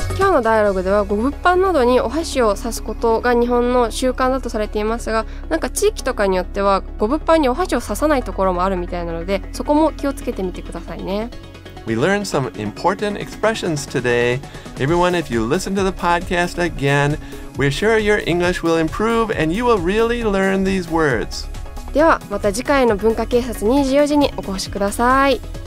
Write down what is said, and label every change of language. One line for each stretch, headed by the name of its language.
Japanese: のダイアログではご物販などにお箸を刺すことが日本の習慣だとされていますが、なんか地域とかによってはご物販にお箸を刺さないところもあるみたいなので、そこも気をつけてみてくださいね。
English: We learned some important expressions today. Everyone, if you listen to the podcast again, we're sure your English will improve and you will really learn these words.
Japanese: ではまた次回の文化警察24時にお越しください。